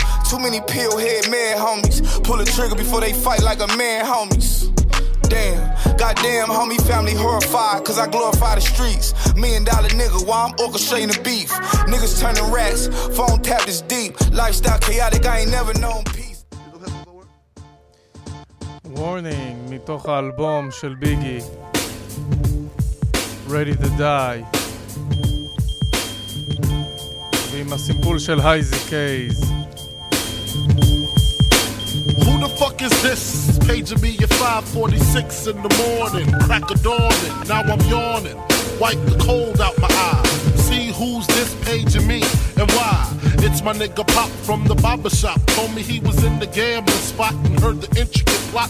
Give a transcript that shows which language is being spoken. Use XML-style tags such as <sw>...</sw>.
<en>Too many pill head mad homies, pull a trigger before they fight like a man homies. Damn, goddamn homie family horrified, cause I glorify the streets. $1 million nigga, while I'm orchestrating the beef. Niggas turning rats, phone tapped is deep. Lifestyle chaotic, I ain't never known peace.</en> <he>Warning, מתוך האלבום של ביגי, Ready to Die, ועם הסימפול של הייזי קייז.</he> <en>Who the fuck is this? Paging me at 5:46 in the morning. Crack a dawning, now I'm yawning. Wipe the cold out my eye. See who's this paging me and why? It's my nigga Pop from the barbershop. Told me he was in the gambling spot and heard the intricate plot.</en>